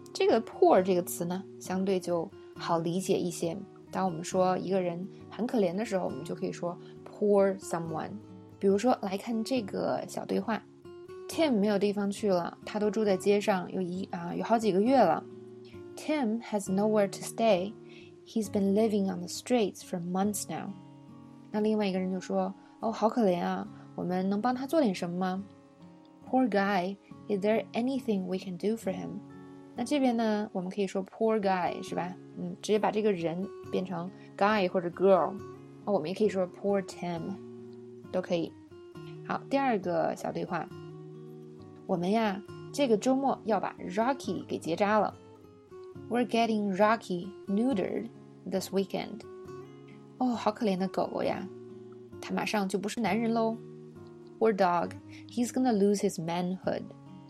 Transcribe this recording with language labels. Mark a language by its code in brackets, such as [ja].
[zh] 这个 poor 这个词呢相对就好理解一些，当我们说一个人很可怜的时候，我们就可以说 [en] poor someone。 [zh] 比如说来看这个小对话， Tim 没有地方去了，他都住在街上有好几个月了。 [en] Tim has nowhere to stay. He's been living on the streets for months now. [zh] 那另外一个人就说哦，好可怜啊，我们能帮他做点什么吗？ [en] Poor guy, is there anything we can do for him? [zh] 那这边呢，我们可以说 [en] poor guy， [zh] 是吧？直接把这个人变成 guy 或者 girl。我们也可以说 [en] poor Tim， [zh] 都可以。好，第二个小对话。我们呀，这个周末要把 Rocky 给结扎了。 [en] We're getting Rocky neutered this weekend. [zh] 哦，好可怜的狗狗呀。他马上就不是男人咯。 [en] Poor dog, he's gonna lose his manhood.